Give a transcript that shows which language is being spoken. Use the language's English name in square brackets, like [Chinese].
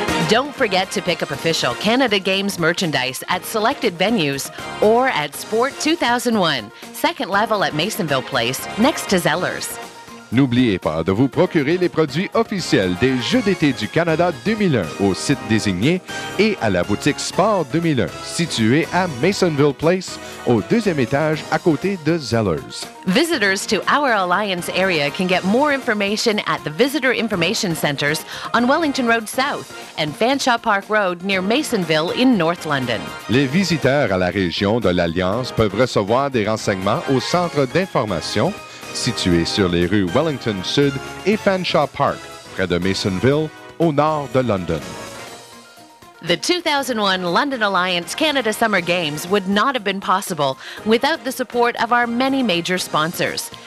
[English] Don't forget to pick up official Canada Games merchandise at selected venues or at Sport 2001, second level at Masonville Place, next to Zeller's. [French] N'oubliez pas de vous procurer les produits officiels des Jeux d'été du Canada 2001 au site désigné et à la boutique Sport 2001, située à Masonville Place, au deuxième étage à côté de Zeller's. [English] Visitors to our Alliance area can get more information at the Visitor Information Centers on Wellington Road South and Fanshawe Park Road near Masonville in North London. [French] Les visiteurs à la région de l'Alliance peuvent recevoir des renseignements au Centre d'information situé sur les rues Wellington Sud et Fanshawe Park, près de Masonville, au nord de London. [English] The 2001 London Alliance Canada Summer Games would not have been possible without the support of our many major sponsors.